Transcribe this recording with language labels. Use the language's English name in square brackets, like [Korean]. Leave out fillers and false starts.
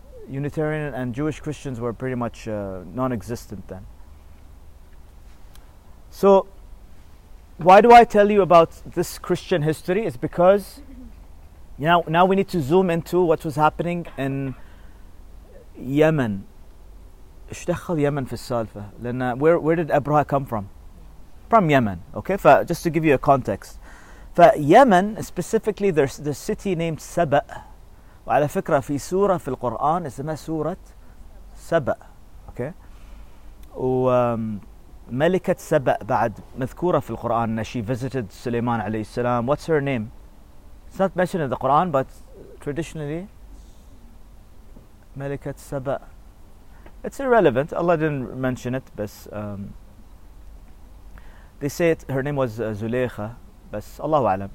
[English] Unitarian and Jewish Christians were pretty much non-existent then. So, why do I tell you about this Christian history? It's because now we need to zoom into what was happening in Yemen. [Arabic] إيش دخل يمن في السالفة؟ لأن [English] where did Abraha come from? From Yemen, okay? Just to give you a context. Yemen, specifically, there's the city named Saba. [Arabic] وعلى فكرة في سورة في القرآن اسمها سورة Saba. [English] Okay? [Arabic] وملكة Saba بعد مذكورة في القرآن. [English] She visited Suleiman عليه السلام. What's her name? It's not mentioned in the Quran, but traditionally, [Arabic] ملكة [English] Saba. It's irrelevant. Allah didn't mention it, but they say it, her name was Zuleikha, but Allahu A'lam.